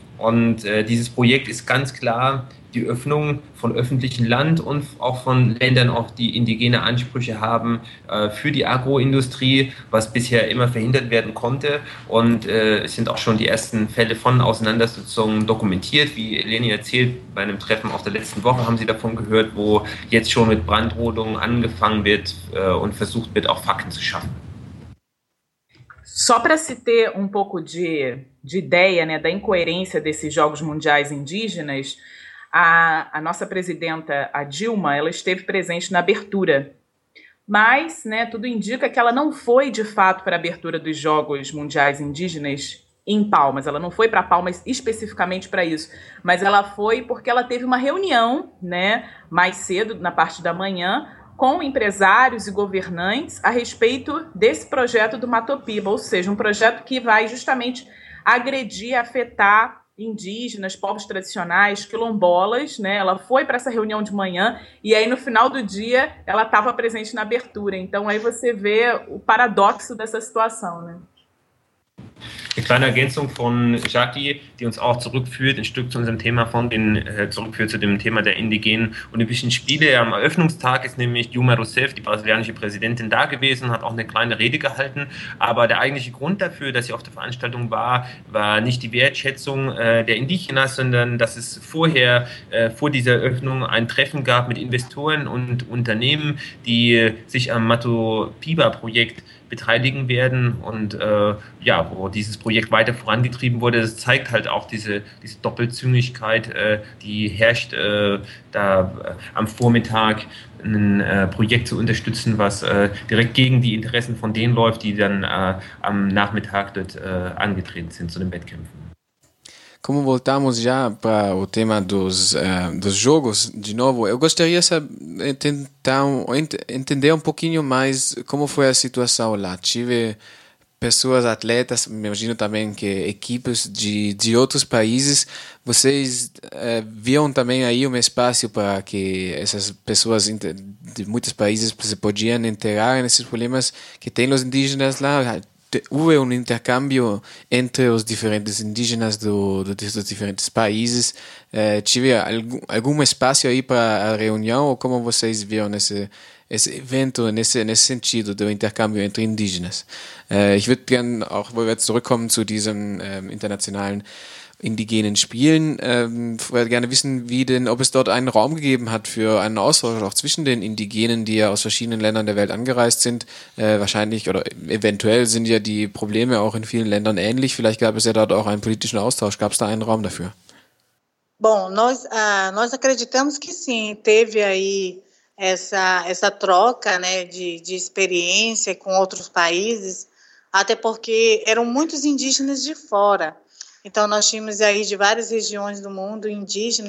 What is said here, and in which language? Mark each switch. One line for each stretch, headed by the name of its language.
German: Und dieses Projekt ist ganz klar die Öffnung von öffentlichem Land und auch von Ländern, auch die indigene Ansprüche haben für die Agroindustrie, was bisher immer verhindert werden konnte. Und es sind auch schon die ersten Fälle von Auseinandersetzungen dokumentiert. Wie Eleni erzählt, bei einem Treffen auf der letzten Woche haben Sie davon gehört, wo jetzt schon mit Brandrodungen angefangen wird und versucht wird, auch Fakten zu schaffen.
Portuguese: Só para se ter um pouco de ideia, né, da incoerência desses Jogos Mundiais Indígenas, a nossa presidenta, a Dilma, ela esteve presente na abertura. Mas, né, tudo indica que ela não foi, de fato, para a abertura dos Jogos Mundiais Indígenas em Palmas. Ela não foi para Palmas especificamente para isso. Mas ela foi porque ela teve uma reunião, né, mais cedo, na parte da manhã, com empresários e governantes a respeito desse projeto do Matopiba, ou seja, um projeto que vai justamente agredir, afetar indígenas, povos tradicionais, quilombolas, né? Ela foi para essa reunião de manhã e aí no final do dia ela estava presente na abertura. Então aí você vê o paradoxo dessa situação, né?
German: Eine kleine Ergänzung von Jackie, die uns auch zurückführt, ein Stück zu unserem Thema von den zurückführt zu dem Thema der indigenen Olympischen Spiele. Am Eröffnungstag ist nämlich Dilma Rousseff, die brasilianische Präsidentin, da gewesen, hat auch eine kleine Rede gehalten. Aber der eigentliche Grund dafür, dass sie auf der Veranstaltung war, war nicht die Wertschätzung der Indigenas, sondern dass es vorher, vor dieser Eröffnung, ein Treffen gab mit Investoren und Unternehmen, die sich am Matopiba-Projekt beteiligen werden und ja, wo dieses Projekt weiter vorangetrieben wurde. Das zeigt halt auch diese Doppelzüngigkeit, die herrscht, da am Vormittag ein Projekt zu unterstützen, was direkt gegen die Interessen von denen läuft, die dann am Nachmittag dort angetreten sind zu den Wettkämpfen.
Portuguese: Como voltamos já para o tema dos jogos, de novo, eu gostaria de tentar entender um pouquinho mais como foi a situação lá. Tive pessoas, atletas, imagino também que equipes de outros países. Vocês viam também aí um espaço para que essas pessoas de muitos países se podiam integrar nesses problemas que têm os indígenas lá? Houve um intercâmbio entre os diferentes indígenas dos diferentes países? Tive algum espaço aí para a reunião? Ou como vocês viram esse evento, nesse sentido do intercâmbio entre indígenas?
German: Ich würde gerne auch zurückkommen zu diesen internationalen indigenen Spielen. Ich würde gerne wissen, ob es dort einen Raum gegeben hat für einen Austausch auch zwischen den Indigenen, die ja aus verschiedenen Ländern der Welt angereist sind. Wahrscheinlich oder eventuell sind ja die Probleme auch in vielen Ländern ähnlich. Vielleicht gab es ja dort auch einen politischen Austausch. Gab es da einen Raum dafür?
Portuguese: Bom, nós acreditamos que sim, teve aí essa troca, né, de experiência com outros países, até porque eram muitos indígenas de fora. Então, nós tínhamos aí de várias regiões do mundo indígena.